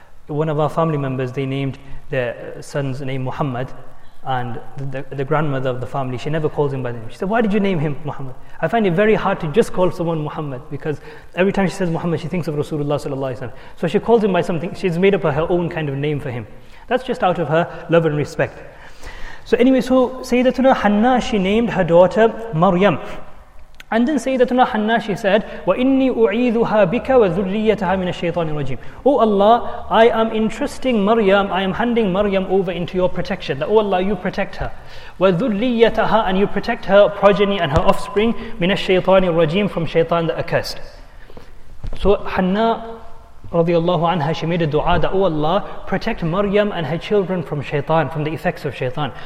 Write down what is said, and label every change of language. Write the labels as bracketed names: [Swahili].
[English] One of our family members, they named their son's name Muhammad, and the grandmother of the family, she never calls him by the name. She said, why did you name him Muhammad? I find it very hard to just call someone Muhammad, because every time she says Muhammad, she thinks of Rasulullah sallallahu alaihi wasallam. So she calls him by something, she's made up her own kind of name for him. That's just out of her love and respect. So anyway, so Sayyidatuna Hanna, she named her daughter Maryam. And then Sayyidatuna Hanna, she said, [Arabic] وَإِنِّي أُعِيذُهَا بِكَ وَذُرِّيَّتَهَا مِنَ الشَّيْطَانِ الرَّجِيمِ. [English] Oh Allah, I am entrusting Maryam, I am handing Maryam over into your protection. That, oh Allah, you protect her. [Arabic] وَذُرِّيَّتَهَا, [English] and you protect her progeny and her offspring, [Arabic] مِنَ الشَّيْطَانِ الرَّجِيمِ, [English] from shaitan the accursed. So Hanna, radiallahu anha, she made a dua that, oh Allah, protect Maryam and her children from shaitan, from the effects of shaitan.